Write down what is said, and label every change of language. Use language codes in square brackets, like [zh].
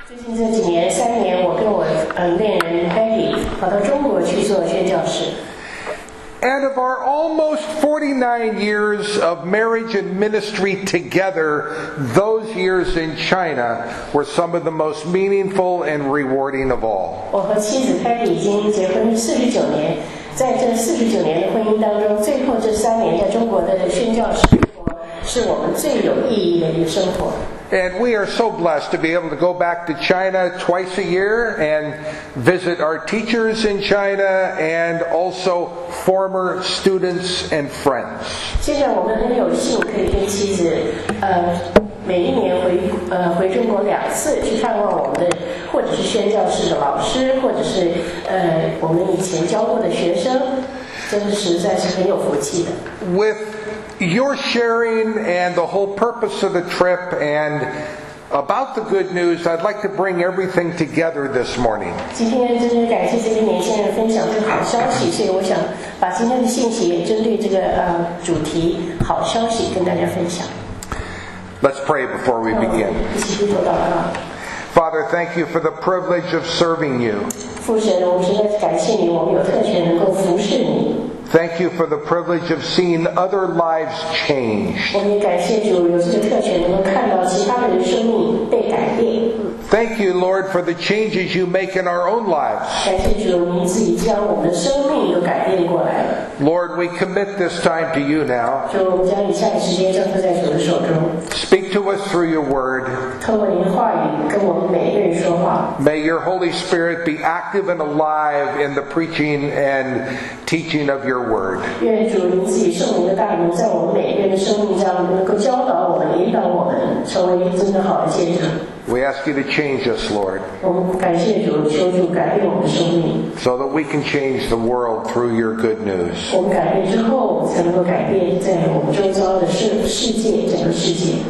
[en] Peggy, And of our almost 49 years of marriage and ministry together, those years in China were some of the most meaningful and rewarding of all. [zh] 我和妻子凯蒂已经结婚49年，在这49年的婚姻当中，最后这三年在中国的宣教生活是我们最有意义的一个生活。 [en] And we are so blessed to be able to go back to China twice a year and visit our teachers in China and also former students and friends. [zh] 现在我们很有幸可以跟妻子，每一年回中国两次去探望我们的，或者是宣教士的老师，或者是我们以前教过的学生，真的实在是很有福气的。 [en] With your sharing and the whole purpose of the trip and about the good news, I'd like to bring everything together this morning. [zh] 今天真的感谢这些年轻人分享这个好消息，所以我想把今天的信息也针对这个主题好消息跟大家分享。 [en] Let's pray before we begin. [zh] 一起低头祷告。 [en] Father, thank you for the privilege of serving you. [zh] 父神，我实在感谢你，我们有特权能够服侍你。 [en] Thank you for the privilege of seeing other lives changed. [zh] 我们感谢主，有这个特权能够看到其他的人生命被改变。 [en] Thank you, Lord, for the changes you make in our own lives. [zh] 感谢主，你自己将我们的生命都改变过来了。 [en] Lord, we commit this time to you now. [zh] 就我们将以下的时间交托在主的手中。 [en] Speak to us through your word. [zh] 透过您的话语跟我们每一个人说话。 [en] May your Holy Spirit be active and alive in the preaching and teaching of your word. [zh] 愿主您自己圣灵的大能在我们每一个人的生命中能够教导我们、引导我们，成为一个真的好的见证。 [en] We ask you to change us, Lord. [zh] 我们感谢主，求主改变我们的生命。 [en] So that we can change the world through your good news. [zh] 我们改变之后，才能够改变在我们周遭的世界，整个世界。